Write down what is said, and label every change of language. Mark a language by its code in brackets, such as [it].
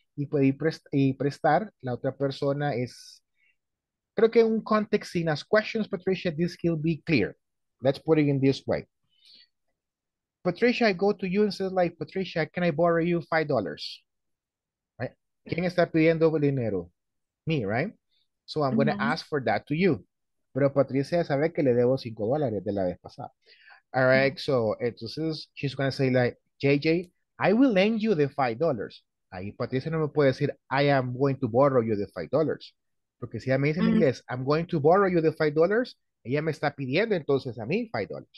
[es] Y pedir prestar, la otra persona es, creo que un [en] context in as questions, Patricia, this will be clear. Let's put it in this way. Patricia, I go to you and says like, Patricia, can I borrow you $5? Right? [es] ¿Quién está pidiendo dinero? [en] Me, right? So I'm going to ask for that to you. [es] Pero Patricia sabe que le debo $5 de la vez pasada. [en] All right, so [es] entonces [en] she's going to say like, JJ, I will lend you the $5. [es] Ahí Patricia no me puede decir, [en] I am going to borrow you the $5. [es] Porque si ella me dice en inglés, [en] I'm going to borrow you the $5, [es] ella me está pidiendo entonces a mí $5.